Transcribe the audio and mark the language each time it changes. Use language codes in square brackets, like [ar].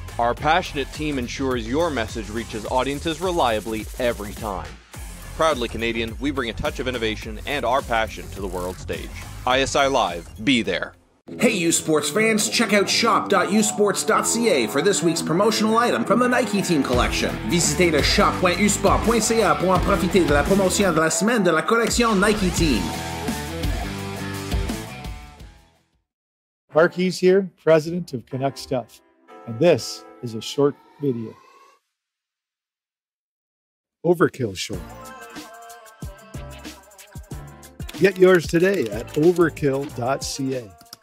[en] Our passionate team ensures your message reaches audiences reliably every time. Proudly Canadian, we bring a touch of innovation and our passion to the world stage. ISI Live, be there. Hey, U-Sports fans, check out shop.usports.ca for this week's promotional item from the Nike Team Collection. [fr] Visitez le shop.usports.ca pour en profiter de la promotion de la semaine de la collection Nike Team. [en] Mark Hees here, president of Canuck Stuff, and this is a short video. Overkill short. Get yours today at overkill.ca.